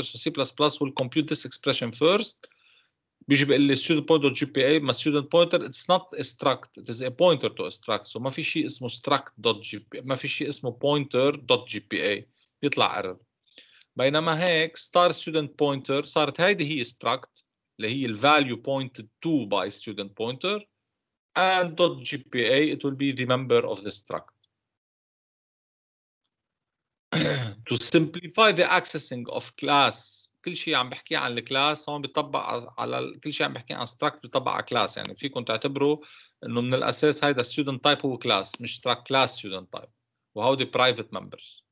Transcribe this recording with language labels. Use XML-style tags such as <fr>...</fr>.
<en>So C++ will compute this expression first.</en> <ar>بيجي بيقول لي</ar> <en>student pointer gpa. ما student pointer it's not a struct. It is a pointer to a struct.</en> <ar>So ما في شيء اسمه struct dot gpa. ما في شيء اسمه pointer dot gpa. بيطلع error. بينما هيك star student pointer صارت هيدي هي struct. اللي هي</ar> <en>value pointed to by student pointer and dot gpa it will be the member of the struct. To simplify the accessing of class,</en> <ar>كل شيء عم بحكي عن الكلاس هون بيطبق على كل شيء عم بحكي عن struct بيطبق على class. يعني فيكم تعتبروا انه من الاساس هيدا student type هو class مش struct class student type وهو دي private members.</ar>